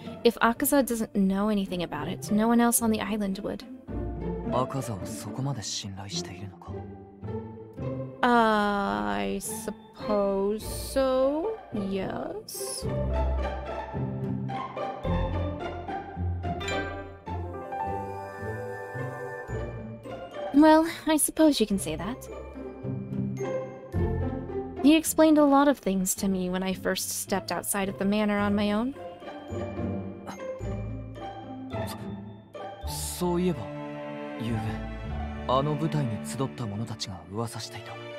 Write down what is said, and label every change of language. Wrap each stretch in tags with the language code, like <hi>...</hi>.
<en>If Akaza doesn't know anything about it, no one else on the island would.</en> <ja>アカザをそこまで信頼しているのか?</ja> <en>I suppose so, yes. Well, I suppose you can say that. He explained a lot of things to me when I first stepped outside of the manor on my own.</en> <ja>そういえば、ゆうべ、あの舞台に集った者たちが噂していた。</ja>